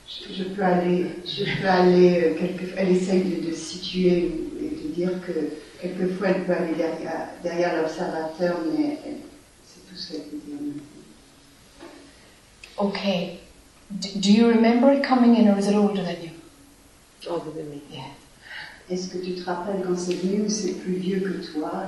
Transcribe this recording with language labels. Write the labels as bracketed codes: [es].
[fr] Je peux aller quelquefois, elle essaye de situer et de dire que quelquefois elle peut aller derrière l'observateur, mais elle, c'est tout ce qu'elle peut dire. [en] Ok. Do you remember it coming in or is it older than you? Older than me. Yeah. [fr] Est-ce que tu te rappelles quand c'est venu ou c'est plus vieux que toi?